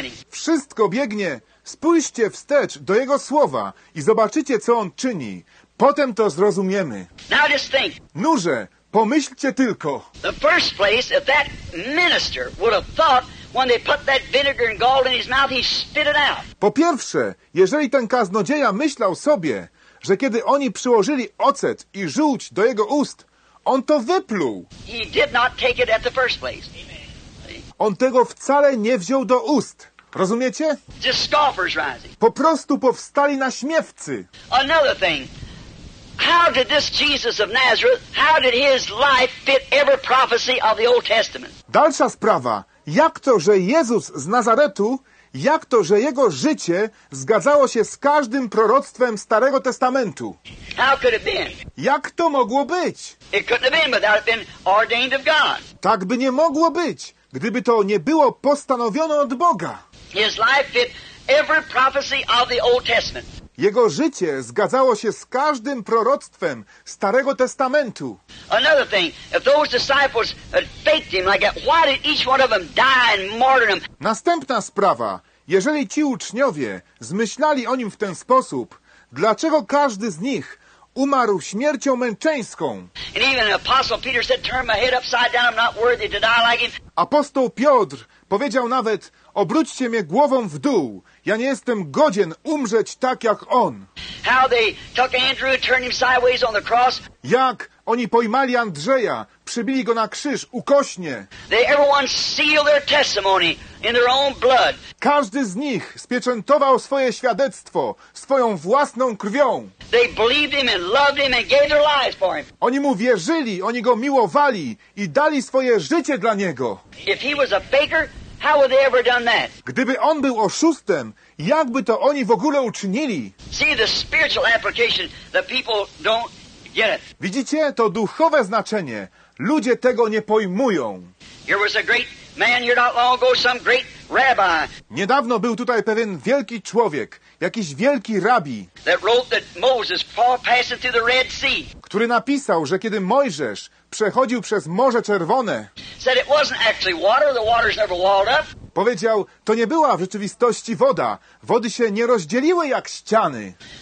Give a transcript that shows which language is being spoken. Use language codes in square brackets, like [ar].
[pl] Wszystko biegnie. Spójrzcie wstecz do jego słowa i zobaczycie, co on czyni. Potem to zrozumiemy. [en] Now just think. [pl] Nurze, pomyślcie tylko. [en] The first place, if that minister would have thought when they put that vinegar and gall in his mouth, he spit it out. [pl] Po pierwsze, jeżeli ten kaznodzieja myślał sobie, że kiedy oni przyłożyli ocet i żółć do jego ust, on to wypluł. [en] He did not take it at the first place. [pl] On tego wcale nie wziął do ust. Rozumiecie? [en] Just scoffers rising. [pl] Po prostu powstali na śmiewcy. [en] Another thing. How did this Jesus of Nazareth, how did his life fit every prophecy of the Old Testament? [pl] Dalsza sprawa. Jak to, że Jezus z Nazaretu, jak to, że jego życie zgadzało się z każdym proroctwem Starego Testamentu? [en] How could it been? [pl] Jak to mogło być? [en] It couldn't have been without it being ordained of God. [pl] Tak by nie mogło być, gdyby to nie było postanowione od Boga. [en] His life fit every prophecy of the Old Testament. [pl] Jego życie zgadzało się z każdym proroctwem Starego Testamentu. [en] Another thing, if those disciples had faked him like that, why did each one of them die and martyr him? [pl] Następna sprawa. Jeżeli ci uczniowie zmyślali o nim w ten sposób, dlaczego każdy z nich umarł śmiercią męczeńską? [en] And even Apostle Peter said, turn my head upside down, I'm not worthy to die like him. [pl] Apostoł Piotr powiedział nawet, obróćcie mnie głową w dół. Ja nie jestem godzien umrzeć tak jak on. [en] How they took Andrew, turned him sideways on the cross. [pl] Jak oni pojmali Andrzeja, przybili go na krzyż ukośnie. [en] They everyone sealed their testimony in their own blood. [pl] Każdy z nich spieczętował swoje świadectwo swoją własną krwią. [en] They believed him and loved him and gave their lives for him. [pl] Oni mu wierzyli, oni go miłowali i dali swoje życie dla niego. [en] If he was a faker, how would they ever done that? [pl] Gdyby on był oszustem, jakby to oni w ogóle uczynili? [en] See the spiritual application, the people don't get it. [pl] Widzicie, to duchowe znaczenie. Ludzie tego nie pojmują. [en] Here was a great man here not long ago, some great rabbi. [pl] Niedawno był tutaj pewien wielki człowiek, jakiś wielki rabbi, [en] that wrote that Moses far passing through the Red Sea. [pl] Który napisał, że kiedy Mojżesz przechodził przez Morze Czerwone, [en] said it wasn't actually water, the water's never walled up. [pl] Powiedział, to nie była w rzeczywistości woda. Wody się nie rozdzieliły jak ściany.